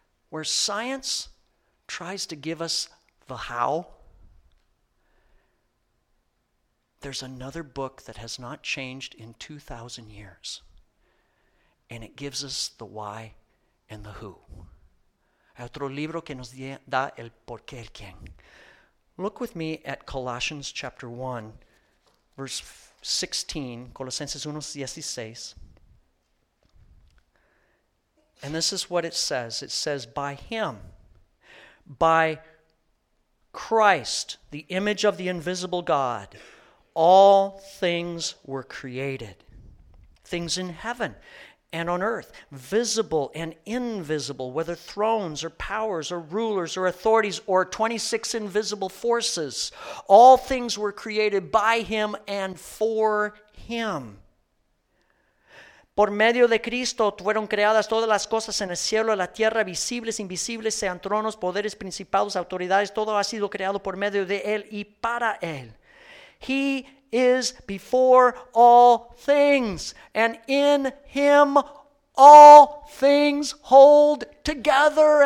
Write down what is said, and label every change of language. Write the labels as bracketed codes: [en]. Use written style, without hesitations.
[en] Where science tries to give us the how, there's another book that has not changed in 2,000 years. And it gives us the why and the who. [es] Hay otro libro que nos da el por qué, el quién. [en] Look with me at Colossians chapter 1, verse 16, Colosenses 1, 16. And this is what it says. It says, by him, by Christ, the image of the invisible God, all things were created, things in heaven and on earth, visible and invisible, whether thrones or powers or rulers or authorities or 26 invisible forces. All things were created by him and for him. [es] Por medio de Cristo fueron creadas todas las cosas en el cielo y la tierra, visibles, invisibles, sean tronos, poderes, principados, autoridades, todo ha sido creado por medio de él y para él. [en] He is before all things, and in him all things hold together.